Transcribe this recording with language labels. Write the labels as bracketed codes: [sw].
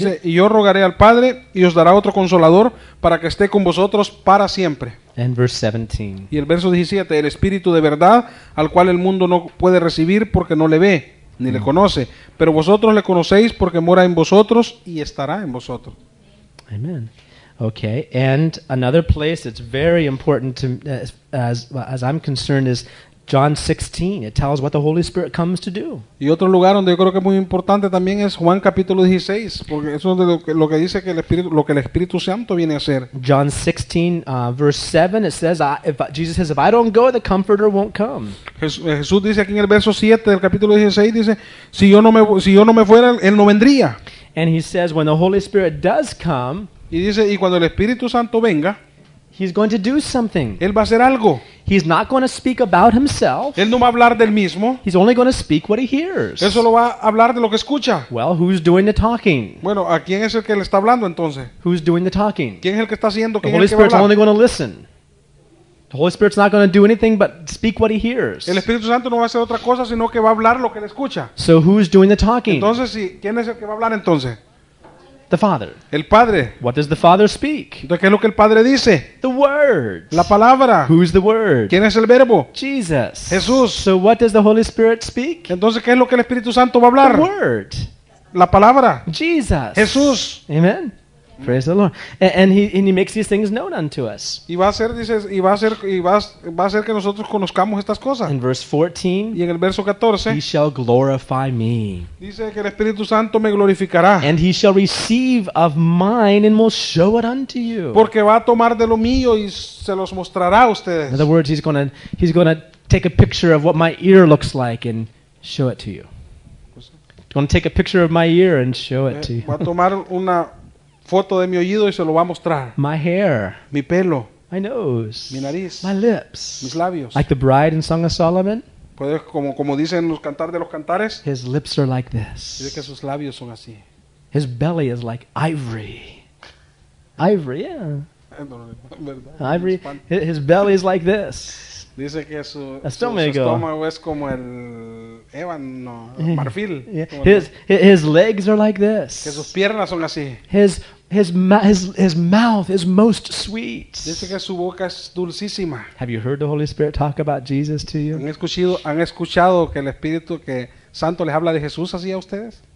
[es] dice, y yo rogaré al Padre y os dará otro consolador para que esté con vosotros para siempre. [en] And verse 17. [es] Y el verso 17, el Espíritu de verdad, al cual el mundo no puede recibir porque no le ve ni le conoce, pero vosotros le conocéis porque mora en vosotros y estará en vosotros. [en] Amen. Okay, and another place that's very important to as I'm concerned is John 16. It tells what the Holy Spirit comes to do. [es] Y otro lugar donde yo creo que es muy importante también es Juan capítulo 16, porque eso es de lo que dice que el Espíritu Santo viene a hacer. [en] John 16 verse 7 it says Jesus says if I don't go the comforter won't come. [es] Jesús dice aquí en el verso 7 del capítulo 16 dice si yo no me fuera él no vendría. [en] And he says when the Holy Spirit does come, [es] y dice, y cuando el Espíritu Santo venga, [en] he's going to do something. [es] Él va a hacer algo. [en] He's not going to speak about himself. [es] Él no va a hablar del mismo. [en] He's only going to speak what he hears. [es] Él solo va a hablar de lo que escucha. [en] Well, who's doing the talking? [es] Bueno, ¿a quién es el que le está hablando entonces? [en] Who's doing the talking? [es] ¿Quién es el que está haciendo? [en] The Holy Spirit's only going to listen. The Holy Spirit's not going to do anything but speak what he hears. [es] El Espíritu Santo no va a hacer otra cosa sino que va a hablar lo que le escucha. [en] So who's doing the talking? [es] Entonces, ¿quién es el que va a hablar entonces? [en] The Father. [es] El Padre. [en] What does the Father speak? [es] ¿De qué es lo que el Padre dice? [en] The Word. [es] La palabra. [en] Who's the Word? [es] ¿Quién es el Verbo? [en] Jesus. [es] Jesús. [en] So what does the Holy Spirit speak? [es] Entonces, ¿qué es lo que el Espíritu Santo va a hablar? [en] The Word. [es] La palabra. [en] Jesus. [es] Jesús. [en] Amen. Praise the Lord. And he makes these things known unto us. [es] Y va a ser, dices, y va a ser que nosotros conozcamos estas cosas. [en] In verse 14. [es] Y en el verso 14. [en] He shall glorify me. [es] Dice que el Espíritu Santo me glorificará. [en] And he shall receive of mine and will show it unto you. [es] Porque va a tomar de lo mío y se los mostrará a ustedes. [en] In other words, he's gonna take a picture of what my ear looks like and show it to you. He's gonna take a picture of my ear and show it to you. [es] Va a tomar una foto de mi oído y se lo va a mostrar. [en] My hair. [es] Mi pelo. [en] My nose. [es] Mi nariz. [en] My lips. [es] Mis labios. [en] Like the bride in Song of Solomon. [es] Pues como dicen los cantares de los cantares. [en] His lips are like this. [es] Dice que sus labios son así. [en] His belly is like ivory. Ivory, yeah. Ivory. His belly is like this. [es] Dice que su estómago es como el ébano, marfil. [en] Yeah. His legs are like this. [es] Que sus piernas son así. [en] His mouth is most sweet. [es] Dice que su boca es dulcísima. [en] Have you heard the Holy Spirit talk about Jesus to you? [es] ¿Han escuchado que el Espíritu que Santo les habla de Jesús así a ustedes?